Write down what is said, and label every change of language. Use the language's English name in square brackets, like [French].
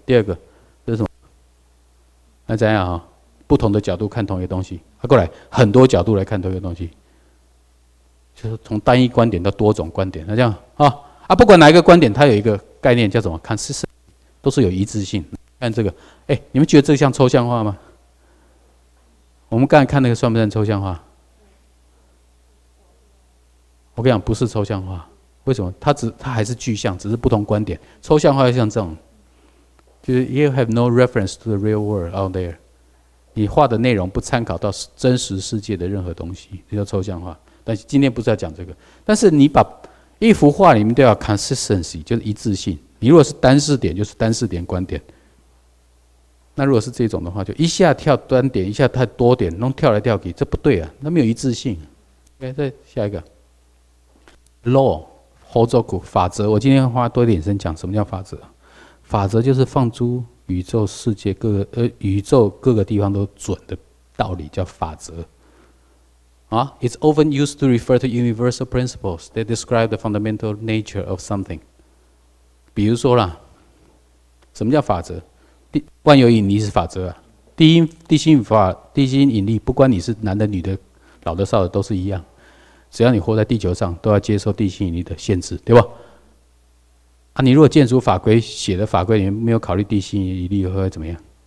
[Chinese] 第二个这是什么？那怎样啊、哦？不同的角度看同一个东西，啊，过来很多角度来看同一个东西，就是从单一观点到多种观点，那这样啊、哦、啊，不管哪一个观点，它有一个概念叫什么？看事实。都是有一致性。看这个，哎，你们觉得这像抽象化吗？我们刚才看那个算不算抽象化？我跟你讲，不是抽象化。为什么？它还是具象，只是不同观点。抽象化像这种，就是 [English] you have no reference to the real world out there。 [Chinese] 你画的内容不参考到真实世界的任何东西，这叫抽象化。但是今天不是要讲这个。但是你把一幅画里面都要 consistency， 就是一致性。你如果是单视点，就是单视点观点。那如果是这种的话，就一下跳单点，一下太多点，弄跳来跳去，这不对啊，那没有一致性。 OK， 再下一个 ，law， 侯州谷法则。我今天花多一点时间讲什么叫法则。法则就是放诸宇宙世界各个宇宙各个地方都准的道理，叫法则。 [English] 啊 ，it's often used to refer to universal principles that describe the fundamental nature of something。 [Chinese] 比如说啦，什么叫法则？万有引力是法则啊，地心引力，不管你是男的、女的、老的、少的，都是一样。只要你活在地球上，都要接受地心引力的限制，对吧？啊，你如果建筑法规写的法规里面没有考虑地心引力，会怎么样？